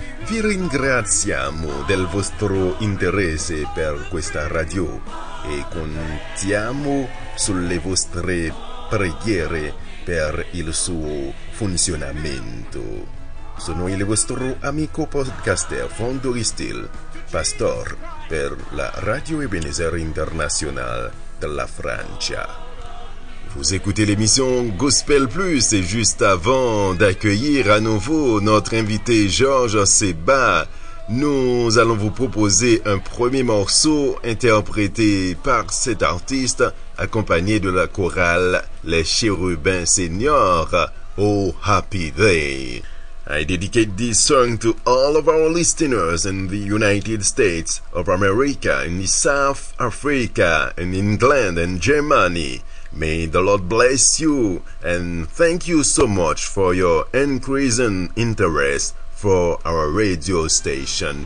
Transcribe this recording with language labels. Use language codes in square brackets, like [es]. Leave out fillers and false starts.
[it] Vi ringraziamo del vostro interesse per questa radio e contiamo sulle vostre preghiere per il suo funzionamento. Sono il vostro amico podcaster Fondo Ristil, pastor per la Radio Ebenezer International della Francia. [fr] Vous écoutez l'émission Gospel Plus et juste avant d'accueillir à nouveau notre invité Georges Seba, nous allons vous proposer un premier morceau interprété par cet artiste accompagné de la chorale Les Chérubins Seniors, Oh Happy Day. [en] I dedicate this song to all of our listeners in the United States of America, in South Africa, in England and Germany. May the Lord bless you and thank you so much for your increasing interest for our radio station.